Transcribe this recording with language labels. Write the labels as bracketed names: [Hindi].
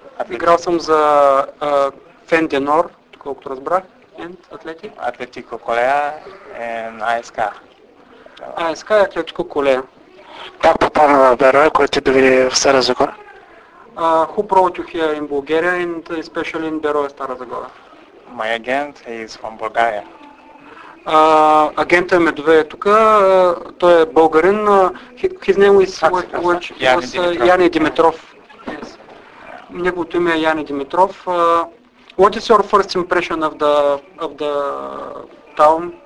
[Bulgarian] Играл съм за Фенденор, колкото разбрах, and Atletico. [English] Atletico Colea and АСК. [Bulgarian] АСК и Atletico Colea. Как попадна в Берое, който ти доведе в Стара Загора? [English] Who brought you here in Bulgaria and especially in Берое, Стара Загора? My agent is from Bulgaria. [Bulgarian] Агентът ме доведе тук, той е българин. [English] His name is Яни Димитров. [Bulgarian] Неговото име е Яни Димитров. [English] What is your first impression of the town?